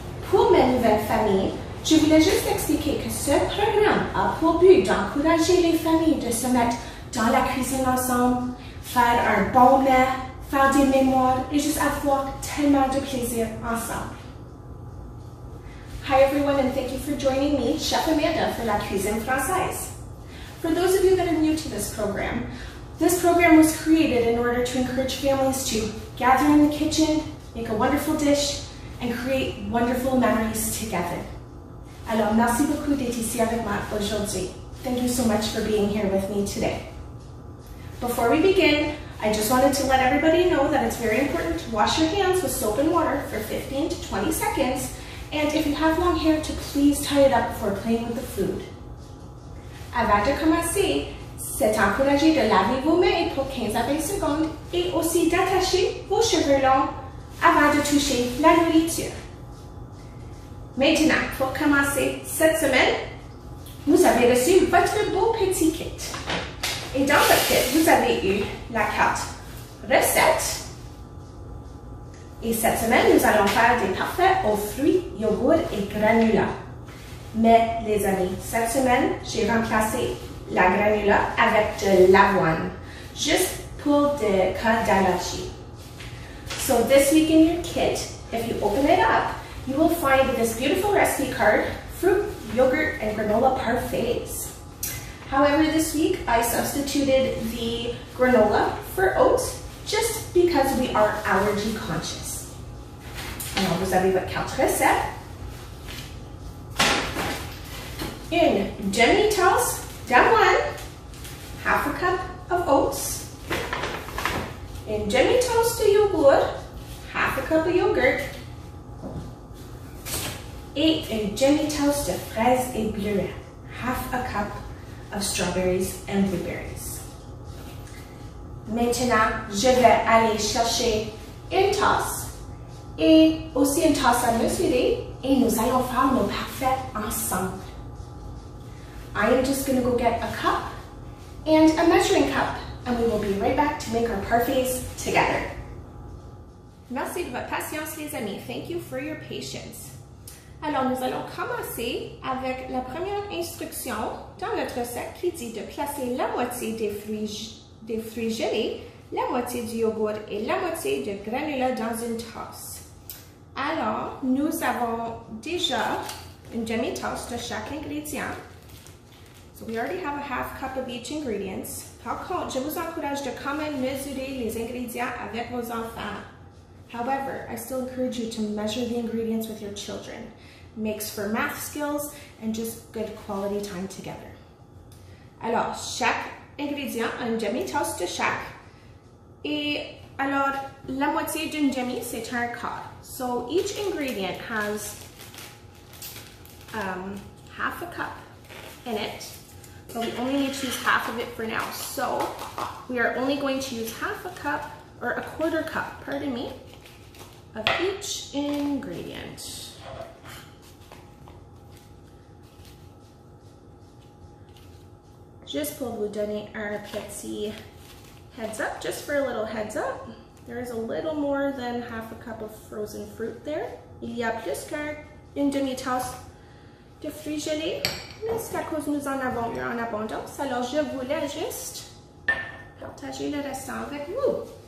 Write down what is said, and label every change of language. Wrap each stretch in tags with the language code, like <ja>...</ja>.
<fr>Pour ma nouvelle famille, je voulais juste expliquer que ce programme a pour but d'encourager les familles de se mettre dans la cuisine ensemble, faire un bon mets, faire des mémoires et juste avoir tellement de plaisir ensemble.</fr> <en>Hi everyone, and thank you for joining me, Chef Amanda, for La Cuisine Française. For those of you that are new to this program was created in order to encourage families to gather in the kitchen, make a wonderful dish, and create wonderful memories together.</en> <fr>Alors, merci beaucoup d'être ici avec moi aujourd'hui.</fr> <en>Thank you so much for being here with me today. Before we begin, I just wanted to let everybody know that it's very important to wash your hands with soap and water for 15 to 20 seconds. And if you have long hair, to please tie it up before playing with the food.</en> <fr>Avant de commencer, c'est encouragé de laver vos mains pour 15 à 20 secondes et aussi d'attacher vos cheveux longs avant de toucher la nourriture. Maintenant, pour commencer cette semaine, vous avez reçu votre beau petit kit. Et dans votre kit, vous avez eu la carte recette. Et cette semaine, nous allons faire des parfaits aux fruits, yogourts et granulats. Mais les amis, cette semaine, j'ai remplacé la granula avec de l'avoine, juste pour des cas d'allergie.</fr> <en>So this week in your kit, if you open it up, you will find this beautiful recipe card, fruit, yogurt, and granola parfaits. However, this week, I substituted the granola for oats, just because we are allergy conscious.</en> <fr>Alors, vous avez votre carte recette. Une demi-tasse d'avoine.</fr> <en>Half a cup of oats.</en> <fr>Une demi-tasse de yogourt.</fr> <en>Half a cup of yogurt.</en> <fr>Et une demi-tasse de fraises et beurre.</fr> <en>Half a cup of strawberries and blueberries.</en> <fr>Maintenant, je vais aller chercher une tasse. Et aussi une tasse à mesurer, et nous allons faire nos parfaits ensemble.</fr> <en>I am just going to go get a cup and a measuring cup, and we will be right back to make our parfaits together.</en> <fr>Merci de votre patience, les amis.</fr> <en>Thank you for your patience.</en> <fr>Alors, nous allons commencer avec la première instruction dans notre recette qui dit de placer la moitié des fruits gelés, la moitié du yogourt et la moitié de granula dans une tasse. Alors, nous avons déjà une demi-tasse de chaque ingrédient.</fr> <en>So we already have a half cup of each ingredients.</en> <fr>Par contre, je vous encourage de quand même mesurer les ingrédients avec vos enfants.</fr> <en>However, I still encourage you to measure the ingredients with your children. Makes for math skills and just good quality time together.</en> <fr>Alors, chaque ingrédient, une demi-tasse de chaque. Et alors, la moitié d'une demi, c'est un quart.</fr> <en>So each ingredient has half a cup in it, but we only need to use half of it for now. So we are only going to use half a cup, or a quarter cup, pardon me, of each ingredient. Just</en> <fr>pour vous donner un petit</fr> <en>heads up, just for a little heads up. There is a little more than half a cup of frozen fruit there.</en> <fr>Il y a plus qu'une demi-tasse de fruits gelés. Mais c'est à cause nous en avons eu en abondance. Alors, je voulais juste partager le restant avec vous.</fr>